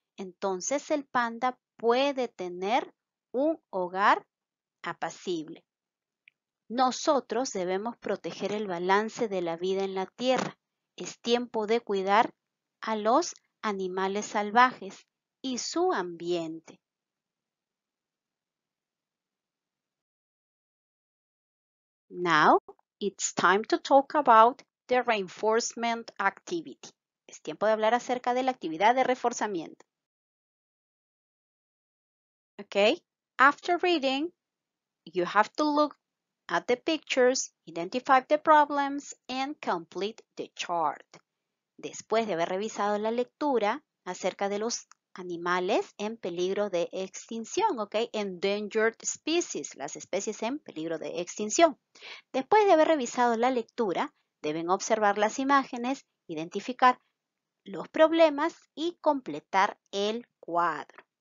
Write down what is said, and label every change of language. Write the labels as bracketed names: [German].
[Spanish] Entonces el panda puede tener un hogar apacible. Nosotros debemos proteger el balance de la vida en la Tierra. Es tiempo de cuidar a los animales salvajes y su ambiente. [English] Now it's time to talk about the reinforcement activity. [Spanish] Es tiempo de hablar acerca de la actividad de reforzamiento. [English] Okay, after reading, you have to look at the pictures, identify the problems, and complete the chart. [Spanish] Después de haber revisado la lectura acerca de los animales en peligro de extinción, ok, [English] endangered species, [Spanish] las especies en peligro de extinción. Después de haber revisado la lectura, deben observar las imágenes, identificar los problemas y completar el cuadro.